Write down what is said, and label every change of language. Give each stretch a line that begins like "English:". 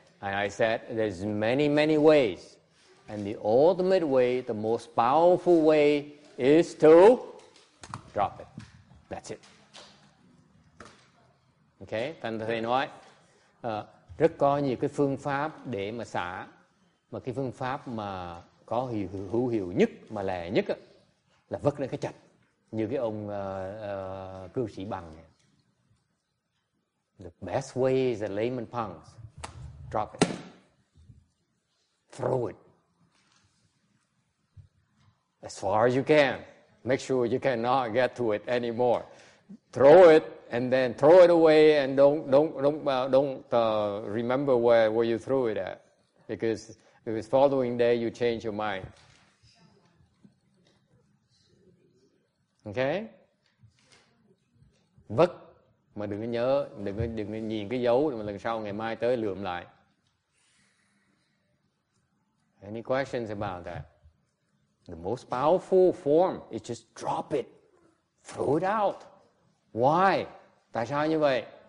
English: And I said, there's many, many ways. And the ultimate way, the most powerful way, is to drop it. That's it.
Vietnamese: OK, thành thầy nói rất có nhiều cái phương pháp để mà xả, mà cái phương pháp mà có hữu hiệu nhất mà lẻ nhất á, là vứt lên cái chặt như cái ông cư sĩ Bằng này.
English: The best way is a layman punks, drop it, throw it as far as you can, make sure you cannot get to it anymore, throw it. And then throw it away and don't remember where you threw it at. Because if it's following day, you change your mind. Okay?
Vietnamese: Vứt, mà đừng có nhớ, đừng có nhìn cái dấu, mà lần sau ngày mai tới lượm lại.
English: Any questions about that? The most powerful form is just drop it. Throw it out. Why?
Vietnamese: Tại sao như vậy?